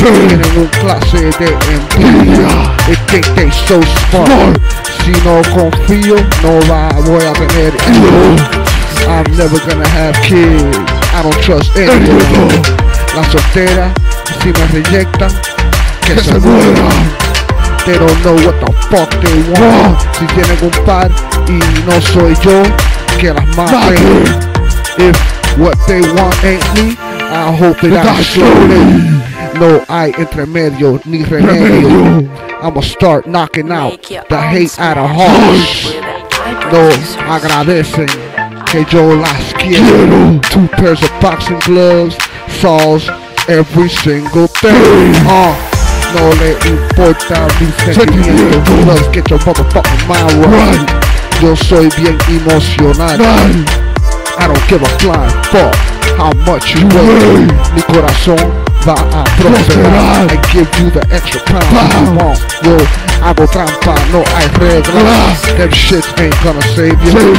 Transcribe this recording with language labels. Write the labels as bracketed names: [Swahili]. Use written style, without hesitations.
[Spanish] Tienen un clase de envidia. [English] They think they so smart. [Spanish] Si no confío, no la voy a tener. [English] I'm never gonna have kids. I don't trust anyone. [Spanish] La soltera, si me rejectan, que se muera. [English] They don't know what the fuck they want. [Spanish] Si tienen un par y no soy yo, que las mate. [English] If what they want ain't me, I hope that I show it. [Spanish] No hay entre medio ni remedio. [English] I'ma start knocking out the hate out of hearts. [Spanish] No agradecen que yo las quiero. [English] Two pairs of boxing gloves solves every single thing. [Spanish] No le importa mi sentimiento. [English] Let's get your motherfucking mind right. [Spanish] Yo soy bien emocional. [English] I don't give a flying fuck how much you weigh. [Spanish] Mi corazón va a prosperar. [English] I give you the extra pound you want. [Spanish] Yo hago trampa, no hay regla. [English] Them shits ain't gonna save you.